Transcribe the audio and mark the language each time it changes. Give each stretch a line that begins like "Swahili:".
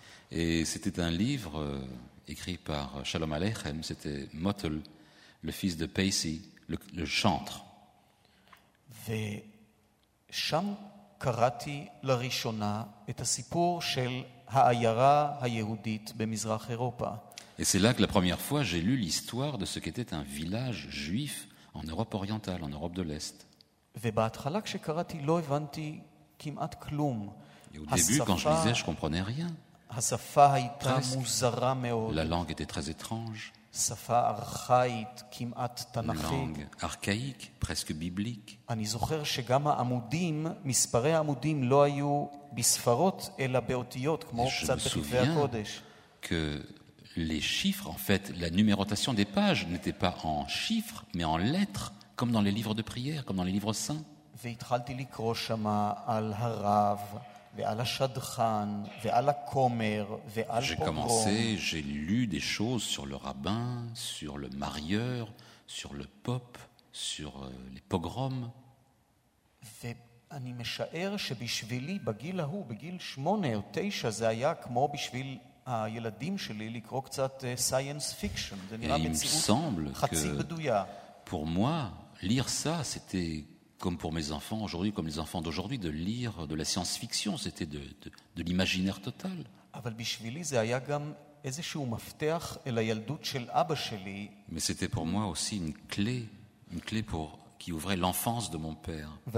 French: Et c'était un livre écrit par Shalom Aleichem, c'était Motel, le fils de Pesi, le chantre. Et
Hebrew: Sham קראתי לראשונה את הסיפור של העיירה היהודית במזרח אירופה.
French: Et c'est là que la première fois j'ai lu l'histoire de ce qu'était un village juif en Europe orientale, en Europe de l'Est.
Hebrew: ובהתחלה כשקראתי לא הבנתי כמעט כלום.
French: Et au début, quand je lisais, je comprenais rien.
Hebrew: השפה הייתה מוזרה מאוד.
French: La langue était très étrange.
Hebrew: שפה ארכאית, כמעט תנכית.
French: Langue archaïque, presque biblique.
Hebrew: אני זוכר שגם העמודים, מספרי העמודים לא היו בספרות אלא באותיות, כמו קצת בכתבי הקודש.
French: Que les chiffres, en fait, la numérotation des pages n'était pas en chiffres, mais en lettres, comme dans les livres de prière, comme dans les livres saints.
Hebrew: והתחלתי לקרוא שמה על הרב ועל השדכן ועל הכומר ועל פוגרום.
French: J'ai lu des choses sur le rabbin, sur le marieur, sur le pope. sur les pogroms.
Hebrew: ואני משער שבשבילי בגיל ההוא, בגיל 8 או 9, זה היה כמו בשביל הילדים שלי לקרוא קצת science fiction. זה נראה מציאות חצי בדויה.
French: Pour moi, lire ça, c'était comme pour mes enfants aujourd'hui, comme les enfants d'aujourd'hui, de lire de la science-fiction, c'était de l'imaginaire total. Mais c'était pour moi aussi une clé pour, qui ouvrait l'enfance de mon père.